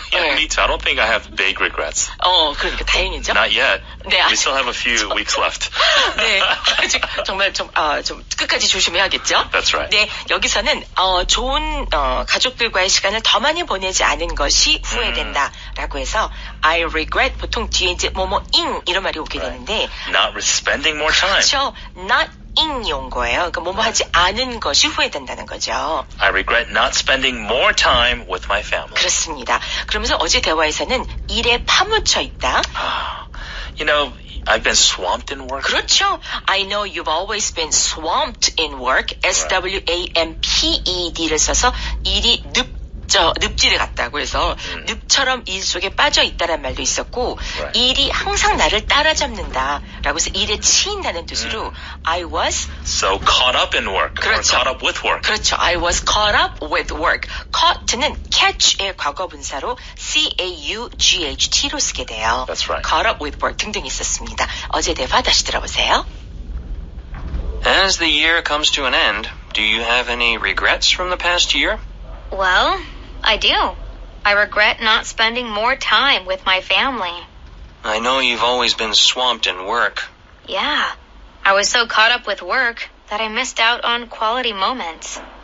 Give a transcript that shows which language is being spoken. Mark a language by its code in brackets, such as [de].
[en] Yeah, me too. I don't think I have big regrets. [ko] 그러니까 다행이죠. [en] Not yet. 네, we still have a few weeks left. [ko] 네, 아직 정말 좀 끝까지 조심해야겠죠. [en] That's right. [ko] 네, 여기서는 좋은 가족들과의 시간을 더 많이 보내지 않은 것이 후회된다라고 해서 [en] I regret [ko] 보통 뒤에 이제 뭐뭐잉 이런 말이 오게 되는데 [en] Not spending more time. [ko] 그렇죠. Not 인 용 거예요. 그러니까 뭐뭐 하지 않은 것이 후회된다는 거죠. [en] I regret not spending more time with my family. [ko] 그렇습니다. 그러면서 어제 대화에서는 일에 파묻혀 있다. [en] You know, I've been swamped in work. [ko] 그렇죠. [en] I know you've always been swamped in work. [ko] S-W-A-M-P-E-D를 써서 일이 늪지를 갔다고 해서 늪처럼 일 속에 빠져 있다란 말도 있었고 right. 일이 항상 나를 따라잡는다라고 해서 일에 치인다는 뜻으로 [en] I was so caught up in work [ko] 그렇죠. [en] or caught up with work [ko] 그렇죠. [en] I was caught up with work. [ko] Caught는 catch의 과거분사로 C-A-U-G-H-T로 쓰게 돼요. [en] That's right. Caught up with work [ko] 등등 있었습니다. 어제 대화 다시 들어보세요. [en] As the year comes to an end, do you have any regrets from the past year? Well, I do. I regret not spending more time with my family. I know you've always been swamped in work. Yeah, I was so caught up with work that I missed out on quality moments.